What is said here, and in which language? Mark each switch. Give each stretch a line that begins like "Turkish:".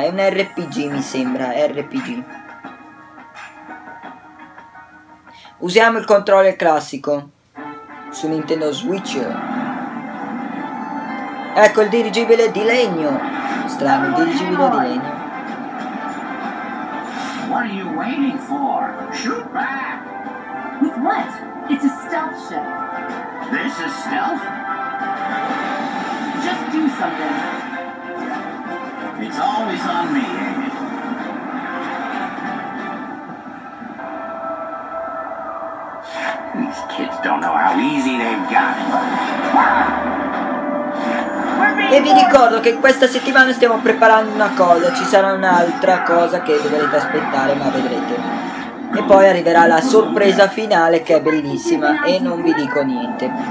Italian: è un RPG, mi sembra, RPG. Usiamo il controller classico su Nintendo Switch. Ecco il dirigibile di legno. Strano, il dirigibile di legno.
English: What are you waiting for? Shoot back! With what? It's a stealth ship. This is stealth? Just do something. It's always on me, ain't it? These kids don't know how easy they've got it.
Italian: E vi ricordo che questa settimana stiamo preparando una cosa, ci sarà un'altra cosa che dovrete aspettare, ma vedrete. E poi arriverà la sorpresa finale, che è bellissima, e non vi dico niente.